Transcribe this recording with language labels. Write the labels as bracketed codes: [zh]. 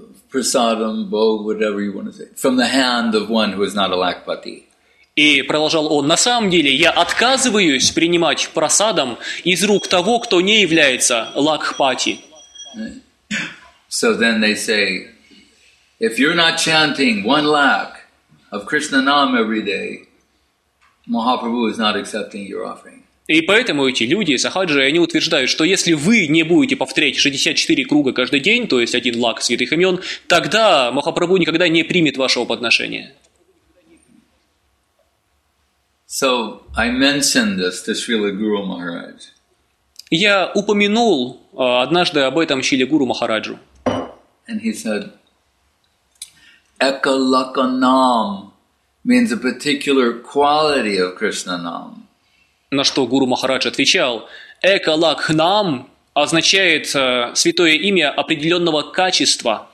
[en] prasadam, bhog, whatever you want to say, from the hand of one who is not a lакпати. [ru] И продолжал он: на самом деле я отказываюсь принимать прасадам из рук того, кто не является лакпати. [en] So then they say, if you're not chanting one lakh of Krishna Nam every day, Mahaprabhu is not accepting your offering. [ru] И поэтому эти люди, сахаджи, они утверждают, что если вы не будете повторять 64 круга каждый день, то есть один лакх святых имен, тогда Махапрабху никогда не примет вашего подношения. [en] So I mentioned this to Srila Guru Maharaj. [ru] Я упомянул однажды об этом Шриле Гуру Махараджу. [en] And he said, Ekalakanam means a particular quality of Krishna Nam. [ru] На что Гуру Махарадж отвечал: «Экалакхнам означает святое имя определенного качества».